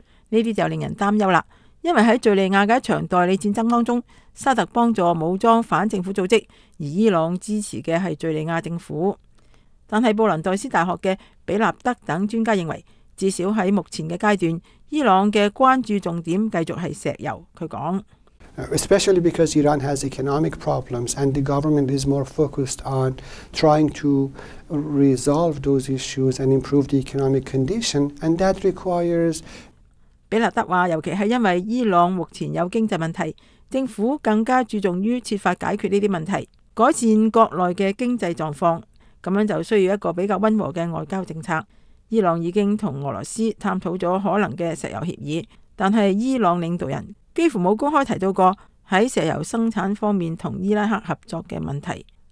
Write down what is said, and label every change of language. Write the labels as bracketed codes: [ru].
[zh] 这些就令人担忧了，因为在叙利亚的一场代理战争当中，沙特帮助武装反政府组织，而伊朗支持的是叙利亚政府。但是布兰代斯大学的比纳德等专家认为，至少在目前的阶段，伊朗的关注重点继续是石油。他说， [en] Especially because Iran has economic problems and the government is more focused on trying to resolve those issues and improve the economic condition, and that requires. [zh] 比勒德说，尤其是因为伊朗目前有经济问题，政府更加注重于设法解决这些问题，改善国内的经济状况，这样就需要一个比较温和的外交政策。伊朗已经和俄罗斯探讨了可能的石油协议，但是伊朗领导人几乎没有公开提到过在石油生产方面和伊拉克合作的问题。